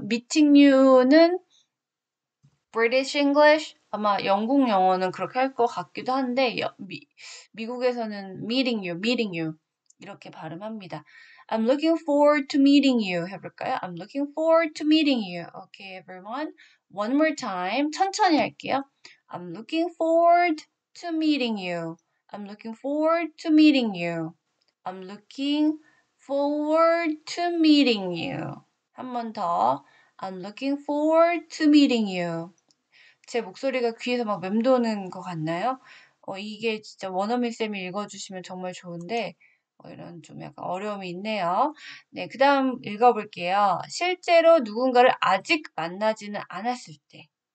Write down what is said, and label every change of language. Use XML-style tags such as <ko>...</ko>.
<en>meeting you</en> <ko>는</ko> <en>British English?</en> <ko>아마 영국 영어는 그렇게 할것 같기도 한데, 미국에서는 meeting you. 이렇게 발음합니다.</ko> <en>I'm looking forward to meeting you.</en> <ko>해볼까요?</ko> <en>I'm looking forward to meeting you. Okay, everyone. One more time.</en> <ko>천천히 할게요.</ko> <en>I'm looking forward to meeting you. I'm looking forward to meeting you. I'm looking forward to meeting you.</en> <ko>한번 더.</ko> <en>I'm looking forward to meeting you.</en> <ko>제 목소리가 귀에서 막 맴도는 것 같나요? 이게 진짜 원어민 쌤이 읽어주시면 정말 좋은데, 이런 좀 약간 어려움이 있네요. 네, 그 다음 읽어볼게요. 실제로 누군가를 아직 만나지는 않았을 때.</ko>